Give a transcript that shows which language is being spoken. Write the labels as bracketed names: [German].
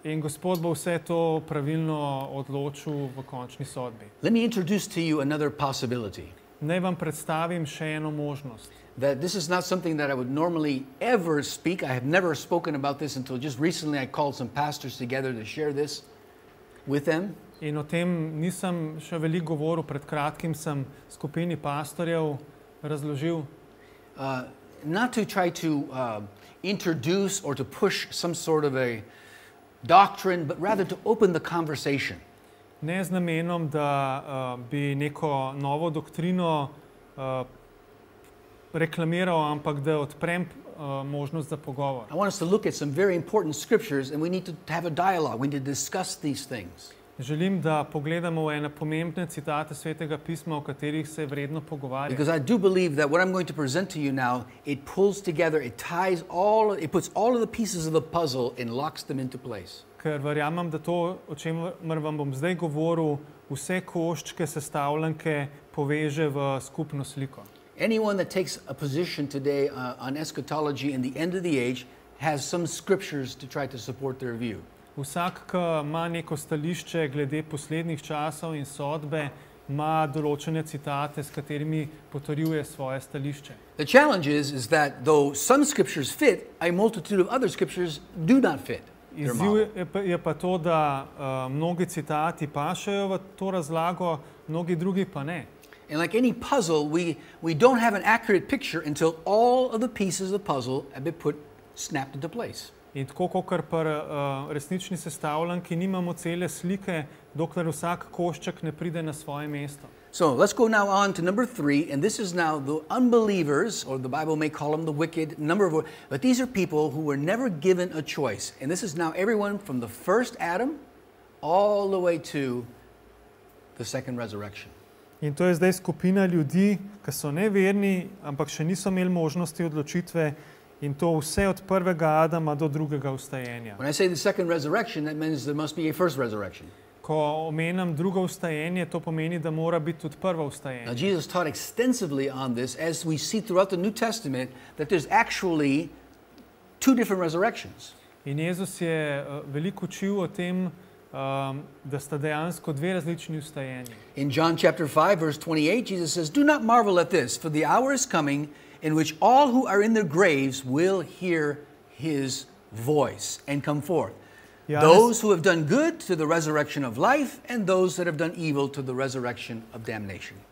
[Slovenian] In Gospod bo vse to pravilno odločil v končni sodbi. [English] Let me introduce to you another possibility. [Slovenian] Naj vam predstavim še eno možnost. [English] That this is not something that I would normally ever speak. I have never spoken about this until just recently I called some pastors together to share this with them. [Slovenian] In o tem nisem še veliko govoril, pred kratkim sem skupini pastorjev razložil. [English] Not to try to introduce or to push some sort of a doctrine, but rather to open the conversation. [Slovenian] Ne z namenom, da bi neko novo doktrino reklamiral, ampak da odprem možnost za pogovor. [English] I want us to look at some very important scriptures and we need to have a dialogue, we need to discuss these things. [Slovenian] Želim, da pogledamo ene pomembne citate Svetega pisma, o katerih se je vredno pogovarjati. [English] Because I do believe that what I'm going to present to you now, it pulls together, it ties all, it puts all of the pieces of the puzzle and locks them into place. [Slovenian] Ker verjamem, da to, o čemer vam bom zdaj govoril, vse koščke sestavljanke poveže v skupno sliko. [English] Anyone that takes a position today on eschatology and the end of the age has some scriptures to try to support their view. [Slovenian] Vsak, ki ima neko stališče glede poslednjih časov in sodbe, ima določene citate, s katerimi potrjuje svoje stališče. [English] The challenge is that though some scriptures fit, a multitude of other scriptures do not fit. [Slovenian] Izziv je pa to, da mnogi citati pašejo v to razlago, mnogi drugi pa ne. [English] And like any puzzle, we don't have an accurate picture until all of the pieces of the puzzle have been put snapped into place. [Slovenian] In tako, kakor pa resnični sestavljanki, nimamo cele slike, dokler vsak košček ne pride na svoje mesto. [English] So, let's go now on to number three, and this is now the unbelievers, or the Bible may call them the wicked, number of, but these are people who were never given a choice. And this is now everyone from the first Adam all the way to the second resurrection. [Slovenian] In to je zdaj skupina ljudi, ki so neverni, ampak še niso imeli možnosti odločitve, in to vse od prvega Adama do drugega vstajenja. [English] When I say the second resurrection, that means there must be a first resurrection. [Slovenian] Ko omenam drugo vstajenje, to pomeni, da mora biti tudi prvo vstajenje. [English] Now Jesus taught extensively on this, as we see throughout the New Testament, that there's actually two different resurrections. [Slovenian] In Jezus je veliko učil o tem, da sta dejansko dve različni vstajenji. [English] In John chapter 5, verse 28, Jesus says, do not marvel at this, for the hour is coming, in which all who are in their graves will hear his voice and come forth. Janez, those who have done good to the resurrection of life and those that have done evil to the resurrection of damnation.